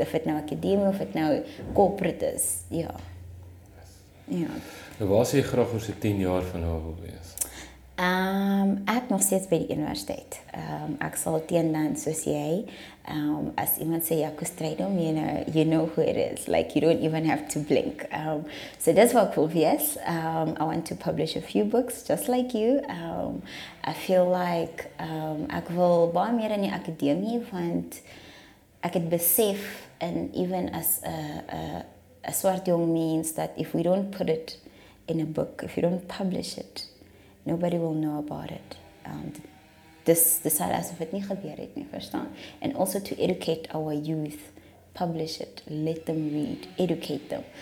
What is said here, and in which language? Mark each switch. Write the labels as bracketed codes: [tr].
[af] Of het nou academie of het nou corporate is. Ja. Ja. Nou, waar sê jy graag oor so 10 jaar van nou wil wees? Ek nog steeds by die universiteit. Ek sal teen dan, soos jy, as iemand sê, Jaco Strydom, [en] you know who it is. Like, you don't even have to blink. [af] So, dis wat ek wil wees. [en] I want to publish a few books, just like you. I feel like [af] ek wil baie meer in die akademie, want ek het besef, en [en] even as a [af] swart jong mens, [en] that if we don't put it in a book, if you don't publish it, nobody will know about it. This is as if it [af] nie gebeur het nie, verstaan? [en] And also to educate our youth, publish it, let them read, educate them.